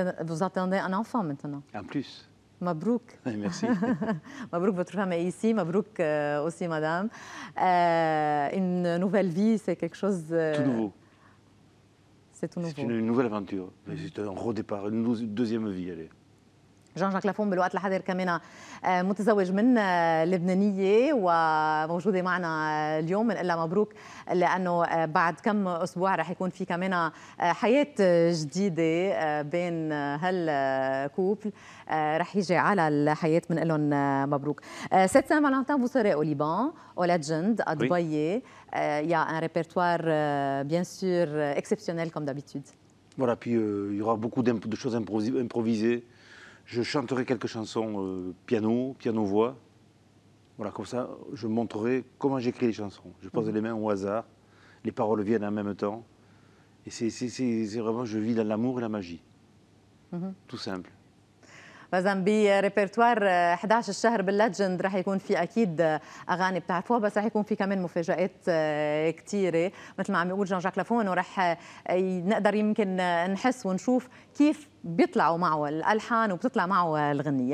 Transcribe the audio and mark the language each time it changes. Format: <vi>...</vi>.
<fr>Vous attendez un enfant maintenant? En plus. Mabrouk. Merci. Mabrouk, votre femme est ici. Mabrouk aussi, madame. Une nouvelle vie, c'est quelque chose... Tout nouveau. C'est tout nouveau. C'est une nouvelle aventure. C'est un redépart, une deuxième vie, allez.</fr> <ar>Jean-Jacques Lafon,</ar> <fr>le temps de</fr> <ar>كمان متزوج من لبنانيه وموجوده معنا اليوم. بنقول مبروك لانه بعد كم اسبوع راح يكون في كمان حياه جديده بين هالكوبل, راح يجي على الحياه. بنقول لهم مبروك.</ar> <fr>سيت سان فالنتان, vous serez au Liban, au Legend à Dubaï. Il y a un répertoire bien sûr exceptionnel comme d'habitude. Voilà, puis il y aura beaucoup de choses improvisées. Je chanterai quelques chansons piano-voix. Voilà, comme ça, je montrerai comment j'écris les chansons. Je pose les mains au hasard, les paroles viennent en même temps. Et c'est vraiment, je vis dans l'amour et la magie. Tout simple.</fr> <ar>مثلا بريبرتوار 11 الشهر باللجند رح يكون في اكيد اغاني بتعرفوها, بس رح يكون في كمان مفاجآت كثيره مثل ما عم يقول جان جاك لافون, ورح نقدر يمكن نحس ونشوف كيف بيطلعوا معه الالحان وبتطلع معه الغنيه.</ar>